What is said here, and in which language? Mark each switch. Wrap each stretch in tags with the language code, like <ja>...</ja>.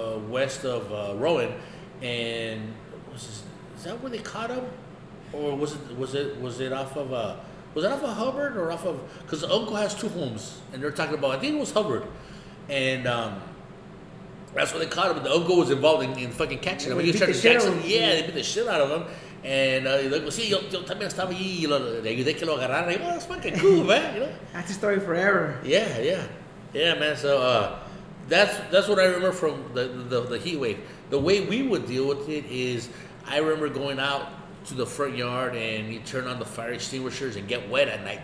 <en>West of Rowan. And is that where they caught him? Or was it off of Hubbard or off of... Because the uncle has two homes. And they're talking about... I think it was Hubbard. And that's where they caught him. The uncle was involved in fucking catching him. They beat the shit out of him. And they're like, well,</en> <es>sí, yo también estaba ahí. Y lo, de que lo agarraron.</es> <en>Like, well, that's fucking cool, man. You know? That's a story forever. Yeah, man. So that's what I remember from the heat wave. The way we would deal with it is I remember going out to the front yard and you turn on the fire extinguishers and get wet at night.</en>